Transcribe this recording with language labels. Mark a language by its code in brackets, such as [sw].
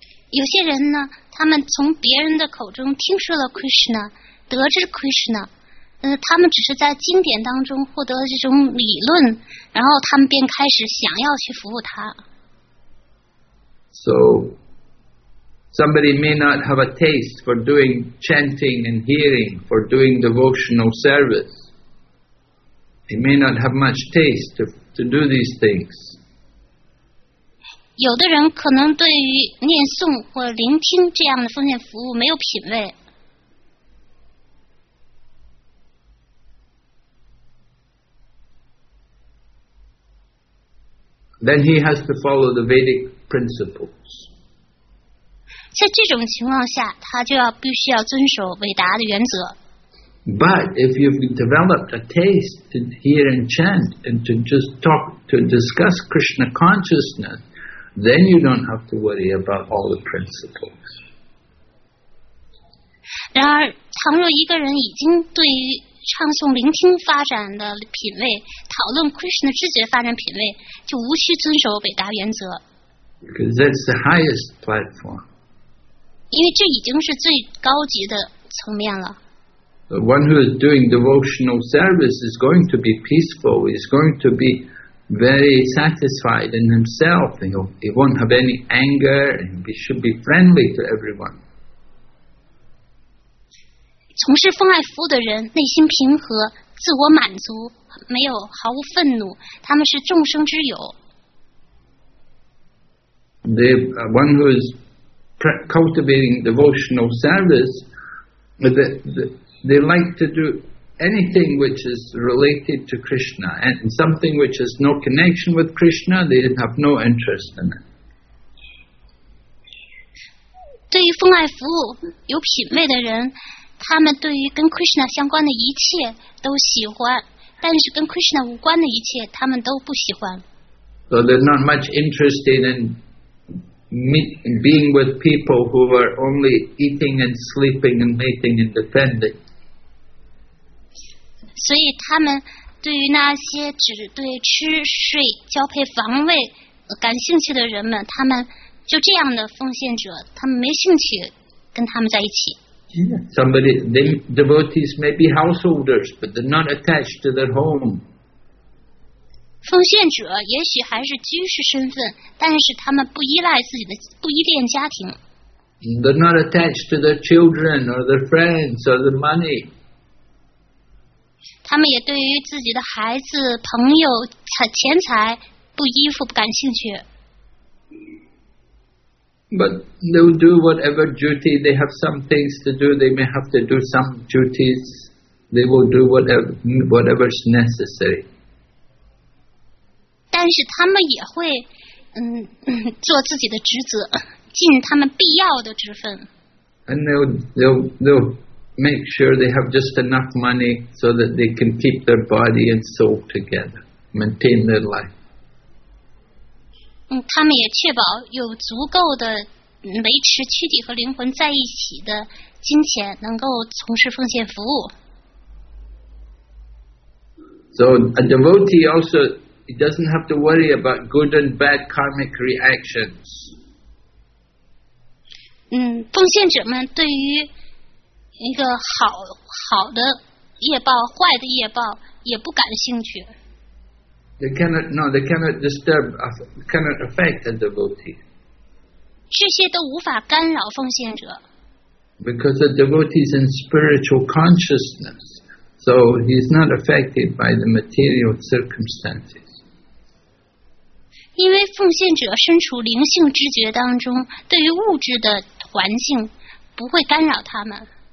[zh] 有些人呢，他们从别人的口中听说了 Krishna， 得知 Krishna， 他们只是在经典当中获得了这种理论，然后他们便开始想要去服务他。 [en] So, somebody may not have a taste for doing chanting and hearing, for doing devotional service. He may not have much taste to do these things. [zh] 有的人可能对于念诵或聆听这样的奉献服务没有品味。 [en] Then he has to follow the Vedic principles. [zh] 在这种情况下，他就要必须要遵守韦达的原则。 [en] But if you've developed a taste to hear and chant and to just talk to discuss Krishna consciousness, then you don't have to worry about all the principles. [zh] 然而，倘若一个人已经对于唱诵聆听发展的品位，讨论 Krishna 知觉发展品位，就无需遵守伟大原则。 [en] Because that's the highest platform. [zh] 因为这已经是最高级的层面了。 [en] The one who is doing devotional service is going to be peaceful. He's going to be very satisfied in himself. He won't have any anger. He should be friendly to everyone. [zh] 从事奉爱服务的人内心平和，自我满足，没有毫无愤怒，他们是众生之友。 [en] The one who is cultivating devotional service, they like to do anything which is related to Krishna, and something which has no connection with Krishna, they have no interest in it. [zh] 对于奉爱服务有品位的人，他们对于跟 Krishna 相关的一切都喜欢，但是跟 Krishna 无关的一切他们都不喜欢。 [en] So they're not much interested in being with people who are only eating and sleeping and mating and defending. [zh] 所以他们对于那些只对吃睡交配防卫感兴趣的人们，他们就这样的奉献者，他们没兴趣跟他们在一起。 [en] Somebody, the devotees may be householders, but they're not attached to their home. [zh] 奉献者也许还是居士身份，但是他们不依赖自己的，不依恋家庭。 [en] They're not attached to their children or their friends or their money. [zh] 他们也对于自己的孩子、朋友、钱财不依附、不感兴趣。 [en] But they'll do whatever duty they have some things to do. They may have to do some duties. They will do whatever is necessary. [zh] 但是他们也会做自己的职责，尽他们必要的职分。 [en] And they'll make sure they have just enough money so that they can keep their body and soul together, maintain their life. [zh] 他们也确保有足够的维持躯体和灵魂在一起的金钱，能够从事奉献服务。 [en] So a devotee also he doesn't have to worry about good and bad karmic reactions. [zh] 奉献者们对于一个好的业报、坏的业报也不感兴趣。 [en] They cannot affect a devotee. [zh] 这些都无法干扰奉献者。 [en] Because the devotee is in spiritual consciousness, so he is not affected by the material circumstances. [zh] 因为奉献者身处灵性知觉当中，对于物质的环境不会干扰他们。